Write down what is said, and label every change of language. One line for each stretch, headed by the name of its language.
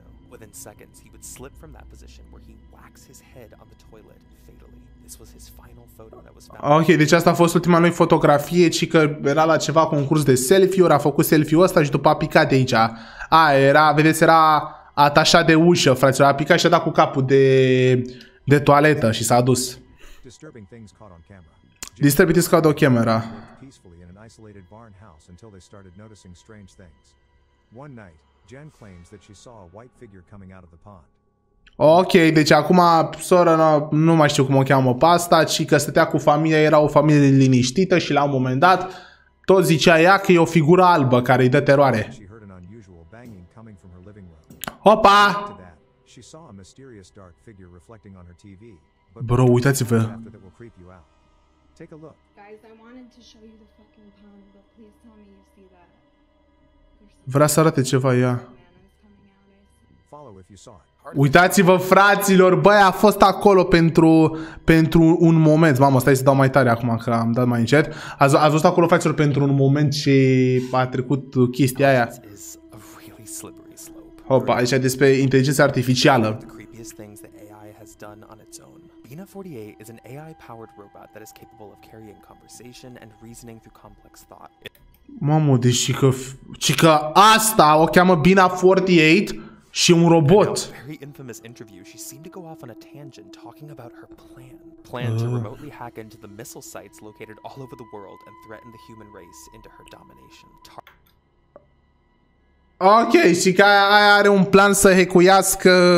English: Within seconds, he would slip from that position where he whacks his head on the toilet fatally. This was his final photo that was found.
Romanian: Ok, deci asta a fost ultima lui fotografie, ci că era la ceva concurs de selfie-uri, a făcut selfie-ul ăsta și după a picat de aici. A, era, vedeți, era atașat de ușă, fraților, a picat și a dat cu capul de toaletă și s-a dus.
English: Disturbing things caught on camera. Disturbing things caught on camera. Peacefully in an isolated barn house until they started noticing strange things. One night, Jen claims that she saw a white figure coming out of the pond.
Romanian: Ok, deci acum sora, nu mai știu cum o cheamă pe asta, ci că stătea cu familia, era o familie liniștită și la un moment dat tot zicea ea că e o figură albă care îi dă teroare.
English: Opa! She saw a mysterious dark figure reflecting on her TV. Bro,
Romanian: uitați-vă.
English: Take a look. Guys, I wanted to show you the fucking pond, but please tell me you see that.
Romanian: Vrea să arate ceva ea. Uitați-vă, fraților, băi, a fost acolo pentru un moment. Mamă, stai să dau mai tare acum că am dat mai încet. A fost acolo, fraților, pentru un moment și a trecut chestia aia. Hopa, aici e despre inteligența artificială.
English: Bina 48 is an AI-powered robot that is capable of carrying conversation and reasoning through complex thought.
Romanian: Mamă, deci și că asta o cheamă Bina 48 și un robot.
English: In a very infamous interview, she seemed to go off on a tangent talking about her plan to remotely hack into the missile sites located all over the world and threaten the human race into her domination.
Romanian: Ok, și că aia are un plan să hecuiască...